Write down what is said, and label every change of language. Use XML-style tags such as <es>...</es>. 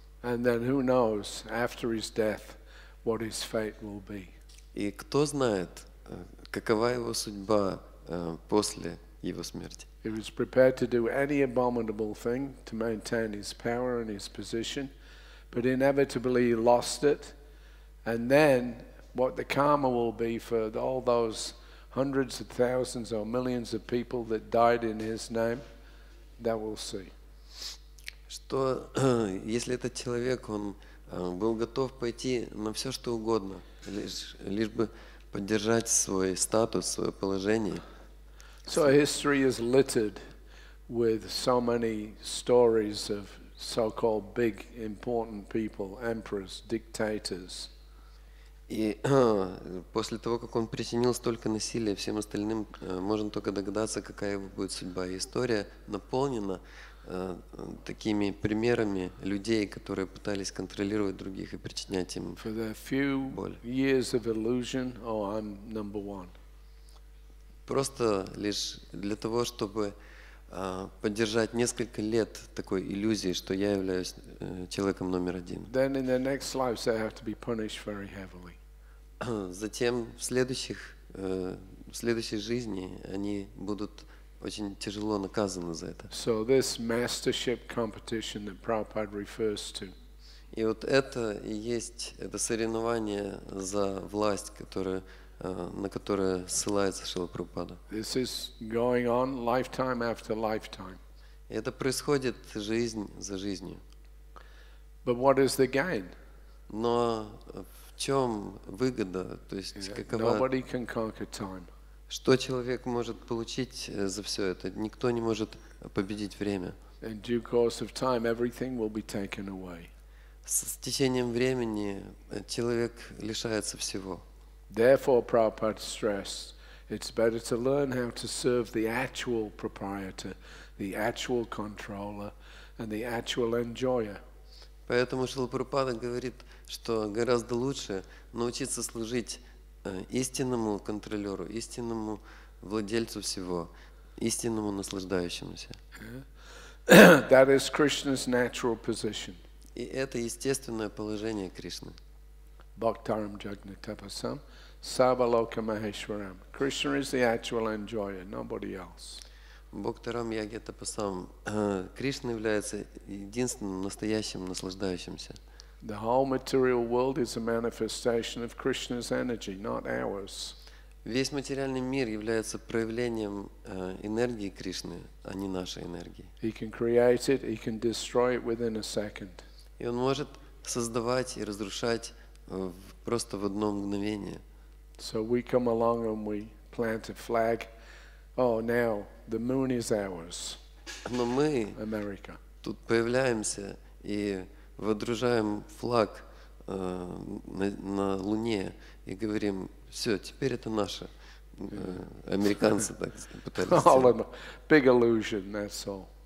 <en>And then who knows, after his death, what his fate will be.</en> <ru>И кто знает, какова его судьба после его смерти?</ru> <en>He was prepared to do any abominable thing to maintain his power and his position, but inevitably he lost it. And then what the karma will be for all those hundreds of thousands or millions of people that died in his name, that we'll see.</en> <ru>Что если этот человек, он был готов пойти на все, что угодно, лишь бы поддержать свой статус, свое положение.</ru> <en>So history is littered with so many stories of so-called big important people, emperors, dictators.</en> <ru>И после того, как он причинил столько насилия всем остальным, можно только догадаться, какая его будет судьба. История наполнена такими примерами людей, которые пытались контролировать других и причинять им боль.</ru> <en>For the few years of illusion, oh, I'm number one.</en> <ru>Просто лишь для того, чтобы поддержать несколько лет такой иллюзии, что я являюсь человеком номер один.</ru> <en>Then in their next lives they have to be punished very heavily.</en> <ru>Затем в следующей жизни они будут очень тяжело наказаны за это.</ru> <en>So this mastership competition that Prabhupada refers to.</en> <ru>И вот это и есть это соревнование за власть, которое на которое ссылается Шрила Прабхупада.</ru> <en>This is going on lifetime after lifetime.</en> <ru>Это происходит жизнь за жизнью.</ru> <en>But what is the gain?</en> <ru>Но в чем выгода? То есть какова?</ru> <en>Nobody can conquer time.</en> <ru>Что человек может получить за все это? Никто не может победить время.</ru> <en>In due course of time, everything will be taken away.</en> <ru>С течением времени человек лишается всего.</ru> <en>Therefore, Prabhupada stressed, it's better to learn how to serve the actual proprietor, the actual controller, and the actual enjoyer.</en> <ru>Поэтому Шрила Прабхупада говорит, что гораздо лучше научиться служить истинному контролеру, истинному владельцу всего, истинному наслаждающемуся.</ru> <en>That is Krishna's natural position.</en> <ru>И это естественное положение Кришны.</ru> <sa>Bhaktaram jagna tapasam sabaloka maheshwaram.</sa> <en>Krishna is the actual enjoyer, nobody else.</en> <sa>Bhaktaram jagna tapasam.</sa> <ru>Кришна является единственным настоящим наслаждающимся.</ru> <en>The whole material world is a manifestation of Krishna's energy, not ours.</en> <ru>Весь материальный мир является проявлением энергии Кришны, а не нашей энергии.</ru> <en>He can create it, he can destroy it within a second.</en> <ru>И он может создавать и разрушать просто в одно мгновение.</ru> <en>So we come along and we plant a flag. Oh, now the moon is ours.</en> <ru>Но мы</ru> <en>America.</en> <ru>Тут появляемся и водружаем флаг на Луне и говорим: все, теперь это наше. Американцы так пытались.</ru> <en>Big illusion, that's all.</en>